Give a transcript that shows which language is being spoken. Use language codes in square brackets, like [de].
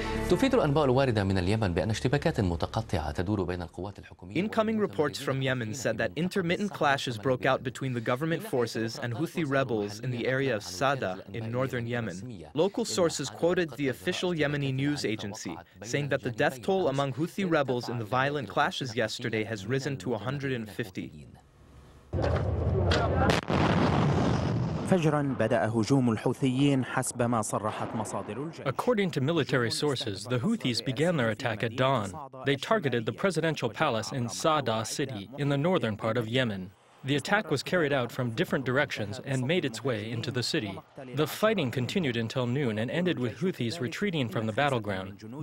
[ar] تفيد الأنباء الواردة من اليمن بأن اشتباكات متقطعة تدور بين القوات الحكومية. [en] Incoming reports from Yemen said that intermittent clashes broke out between the government forces and Houthi rebels in the area of Sa'ada in northern Yemen. Local sources quoted the official Yemeni news agency, saying that the death toll among Houthi rebels in the violent clashes yesterday has risen to 150. [ar] فجراً بدأ هجوم الحوثيين حسب ما صرحت مصادر الجيش. [en] According to military sources, the Houthis began their attack at dawn. They targeted the presidential palace in Sa'ada city in the northern part of Yemen. The attack was carried out from different directions and made its way into the city. The fighting continued until noon and ended with Houthis retreating from the battleground.